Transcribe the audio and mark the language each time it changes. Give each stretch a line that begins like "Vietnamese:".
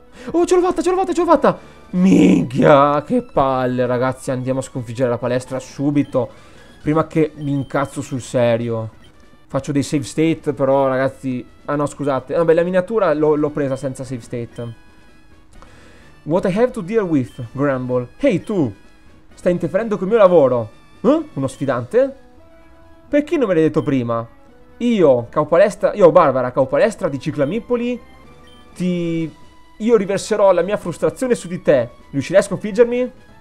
Italian: Oh, ce l'ho fatta, ce l'ho fatta, ce l'ho fatta. Minchia, che palle, ragazzi. Andiamo a sconfiggere la palestra subito. Prima che mi incazzo sul serio. Faccio dei save state, però, ragazzi. Ah, no, scusate. Vabbè, la miniatura l'ho presa senza save state.
English: What I have to deal with, Grumble.
Italian: Hey, tu. Stai interferendo col mio lavoro. Eh? Uno sfidante? Perché non me l'hai detto prima? Io, Caopalestra. Io, Barbara, Caopalestra di Ciclamippoli. Ti. Io riverserò la mia frustrazione su di te. Riuscirai a sconfiggermi?